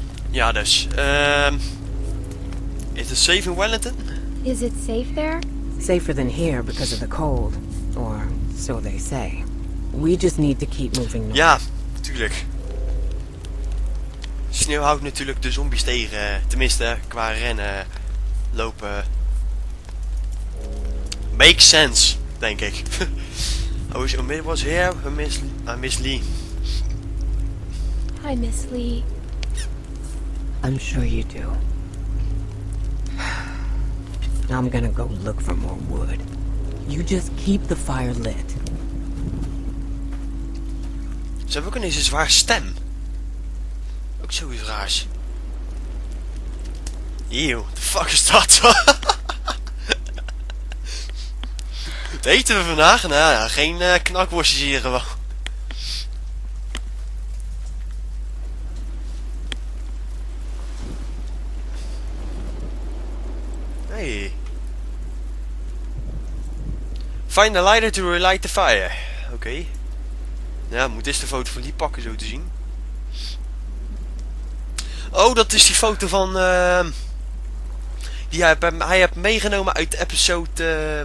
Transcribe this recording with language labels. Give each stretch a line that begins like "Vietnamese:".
Dutch: Ja, dus. Is het safe in Wellington?
English: Is it safe there? Safer than here because of the cold. Or so they say. We just need to keep moving north.
Dutch: Ja, tuurlijk. Sneeuw houdt natuurlijk de zombies tegen. Tenminste, qua rennen, lopen.
English: Makes sense,
Dutch: denk ik.
English: I wish I was here. I miss Lee. I miss Lee. I'm sure you do. Now I'm gonna go look for more wood. You just keep the fire lit.
Dutch: Ze hebben ook ineens een zwaar stem. Ook zoiets raars.
English: Eww, the fuck is
Dutch: dat? Wat eten we vandaag? Nou ja, geen knakworstjes hier gewoon.
English: Hey. Find a lighter to relight the fire.
Dutch: Oké. Ja, moet eens de foto van die pakken zo te zien. Oh, dat is die foto van... die hij heeft meegenomen uit episode...